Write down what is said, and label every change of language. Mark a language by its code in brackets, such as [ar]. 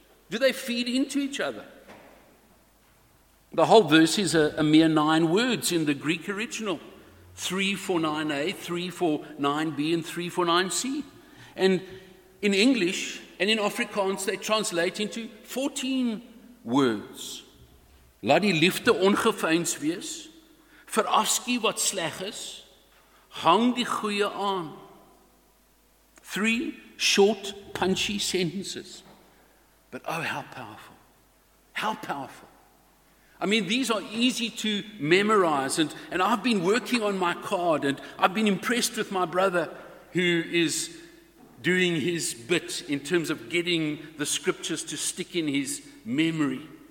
[en] Do they feed into each other? The whole verse is a mere 9 words in the Greek original. 3 for 9a, 3 for 9b, and 3 for 9c. And in English and in Afrikaans, they translate into 14 words. [af] Laat die liefde ongeveins wees, verafski wat sleg is, hang die goeie aan. [en] 3 short, punchy sentences. But oh, how powerful. How powerful. I mean, these are easy to memorize, and I've been working on my card, and I've been impressed with my brother who is doing his bit in terms of getting the scriptures to stick in his memory.